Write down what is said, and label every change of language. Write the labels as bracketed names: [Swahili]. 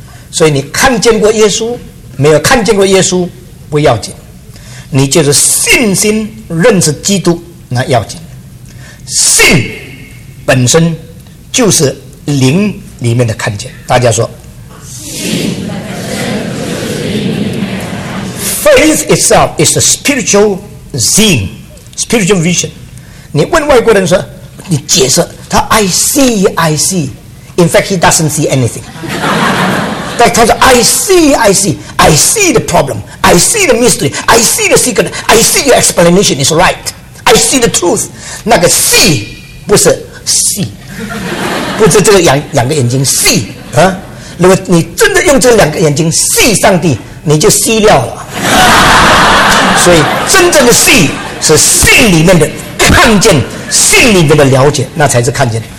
[Chinese] 所以你看见过耶稣没有看见过耶稣不要紧，你就是信心认识基督那要紧。信本身就是灵里面的看见，大家说，信本身就是灵里面的看见。 [English] Faith itself is a spiritual seeing, spiritual vision。 [Chinese] 你问外国人说，你解释他 [English] I see In fact he doesn't see anything。 [Chinese] 他说 [English] I see the problem, I see the mystery, I see the secret, I see your explanation is right, I see the truth。 [Chinese] 那个 see 不是 see， 不是这个 两个眼睛 see、啊、如果你真的用这两个眼睛 see 上帝，你就 see 掉了。所以真正的 see 是信里面的看见，信里面的了解，那才是看见。